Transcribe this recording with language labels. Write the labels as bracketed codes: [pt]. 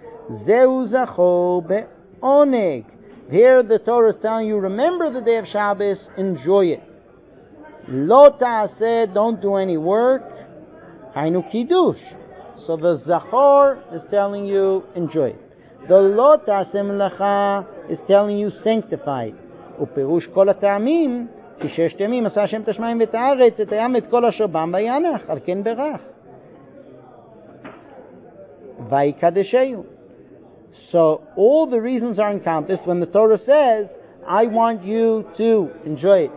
[he] Zehu zachor be'oneg. [en] Here the Torah is telling you, remember the day of Shabbos, enjoy it. [he] Lo ta'aseh, [en] don't do any work. [he] Haynu kiddush. [en] So the zachor is telling you, enjoy it. The lo ta'aseh melacha is telling you, sanctify it. [he] ופירוש כל הטעמים, כי ששת ימים עשה השם את השמיים ואת הארץ, את הים ואת כל אשר בם בינח, על כן ברך. ויקדשהו. [en] So all the reasons are encompassed when the Torah says, I want you to enjoy it.